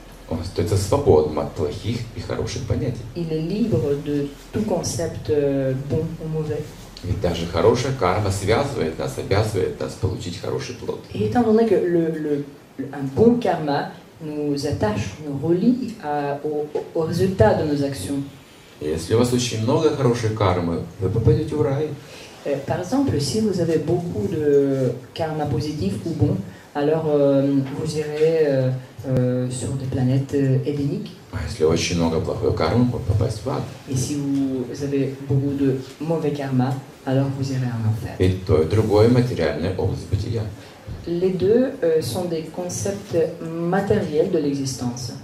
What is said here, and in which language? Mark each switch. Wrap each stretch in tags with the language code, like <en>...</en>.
<ru>Он остается свободным от плохих и хороших понятий.</ru> <fr>Il est libre de tout concept bon ou mauvais.</fr> <ru>Ведь даже хорошая карма связывает нас, обязывает нас получить хороший плод.</ru> <fr>Et étant donné que un bon karma nous attache, nous relie au résultat de nos actions.</fr> <ru>Если у вас очень много хорошей кармы, вы попадете в рай.</ru> <fr>Par exemple, si vous avez beaucoup de karma positif ou bon, alors vous irez sur des planètes édéniques.</fr> <ru>Если очень много плохой кармы, вы попадете в ад.</ru> <fr>Et si vous avez beaucoup de mauvais karma, alors vous irez en enfer.</fr> <ru>Et то и другое материальное область бытия.</ru> <fr>Les deux sont des concepts matériels de l'existence.</fr>